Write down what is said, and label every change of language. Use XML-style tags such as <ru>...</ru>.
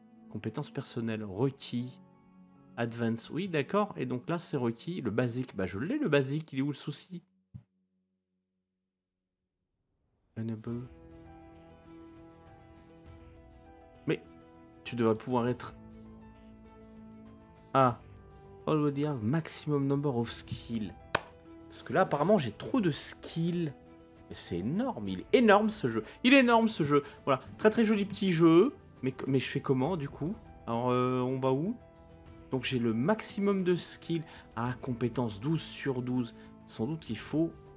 <fr>Compétences personnelles, requis. Advanced, oui, d'accord. Et donc là, c'est requis. Le basic, bah je l'ai, le basic. Il est où le souci ?</fr> <en>Enable.</en> <fr>Mais, tu devrais pouvoir être...</fr> <en>Ah, already have maximum number of skills.</en> <fr>Parce que là, apparemment, j'ai trop de skills. Mais c'est énorme, il est énorme ce jeu. Voilà, très très joli petit jeu. Mais je fais comment, du coup ? Alors, on va où ? Donc, j'ai le maximum de skills. Ah, compétences 12 sur 12. Sans doute qu'il faut...</fr>